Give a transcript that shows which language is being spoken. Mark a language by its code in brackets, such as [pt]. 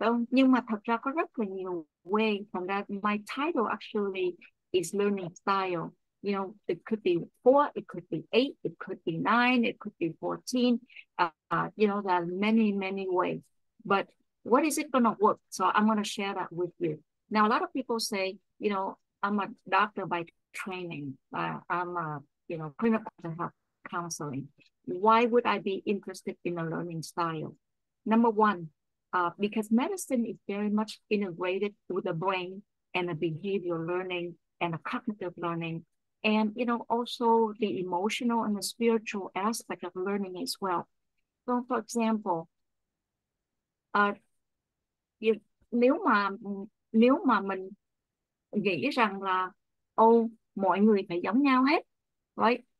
[vi] Nhưng mà thật ra có rất là nhiều way. Thành ra [en] my title actually is learning style. It could be four, it could be eight, it could be nine, it could be 14. There are many, many ways. But what is it gonna work? So I'm gonna share that with you. Now, a lot of people say, I'm a doctor by training. I'm a, clinical health counseling. Why would I be interested in a learning style? Number one, because medicine is very much integrated with the brain and the behavioral learning and the cognitive learning. And, also the emotional and the spiritual aspect of learning as well. So, for example, [vi] nếu mà mình nghĩ rằng là ô mọi người phải giống nhau hết, right?